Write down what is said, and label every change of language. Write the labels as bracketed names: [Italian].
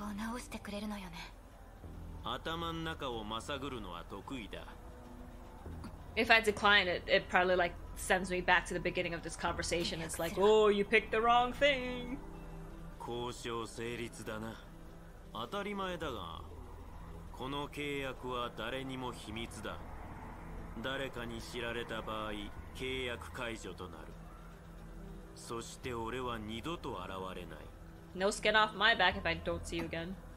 [English] Yeah, I have to accept. If I decline, it probably like sends me back to the beginning of this conversation. It's like, oh, you picked the wrong thing. [Japanese] この契約は誰にも秘密だ。誰かに知られた場合、契約解除となる。そして俺は二度と現れない。 [English] No skin off my back if I don't see you again.